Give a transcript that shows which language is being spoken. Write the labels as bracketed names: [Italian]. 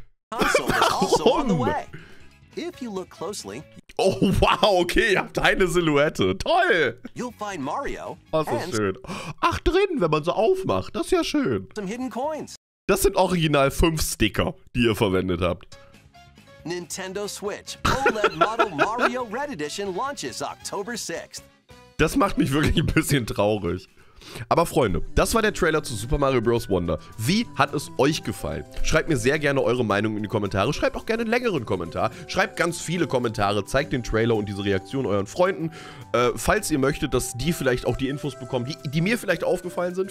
[German] Warum? [English] If you look closely, [German] oh wow, okay, ihr habt eine Silhouette. Toll. [English] You'll find Mario. [German] Das ist schön. Ach, drin, wenn man so aufmacht. Das ist ja schön. [English] Some hidden coins. [German] Das sind original 5 Sticker, die ihr verwendet habt. [English] Nintendo Switch OLED Model Mario Red Edition launches October 6th. [German] Das macht mich wirklich ein bisschen traurig. Aber Freunde, das war der Trailer zu Super Mario Bros. Wonder. Wie hat es euch gefallen? Schreibt mir sehr gerne eure Meinung in die Kommentare. Schreibt auch gerne einen längeren Kommentar. Schreibt ganz viele Kommentare. Zeigt den Trailer und diese Reaktion euren Freunden. Falls ihr möchtet, dass die vielleicht auch die Infos bekommen, die mir vielleicht aufgefallen sind.